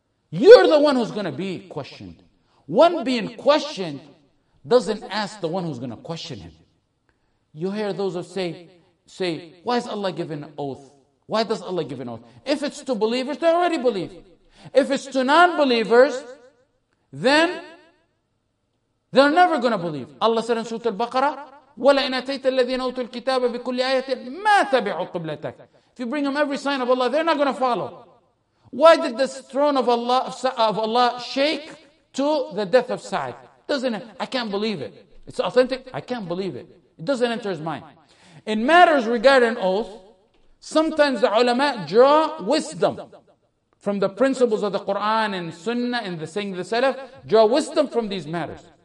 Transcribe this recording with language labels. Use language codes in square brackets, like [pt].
[en] You're the one who's going to be questioned. One being questioned doesn't ask the one who's going to question him. You hear those who say, why is Allah giving an oath? Why does Allah give an oath? If it's to believers, they already believe. If it's to non-believers, then they're never going to believe. Allah said in Surah Al-Baqarah, [ar] وَلَئِنْ أَتَيْتَ الَّذِينَ أُوتُوا الْكِتَابَ بِكُلِّ آيَةٍ مَا تَبِعُوا قِبْلَتَكَ. [en] If you bring them every sign of Allah, they're not going to follow. Why did this throne of Allah shake to the death of Sa'd? Doesn't it? I can't believe it. It's authentic. I can't believe it. It doesn't enter his mind. In matters regarding oath, sometimes the ulama draw wisdom from the principles of the Quran and Sunnah and the saying of the Salaf, draw wisdom from these matters.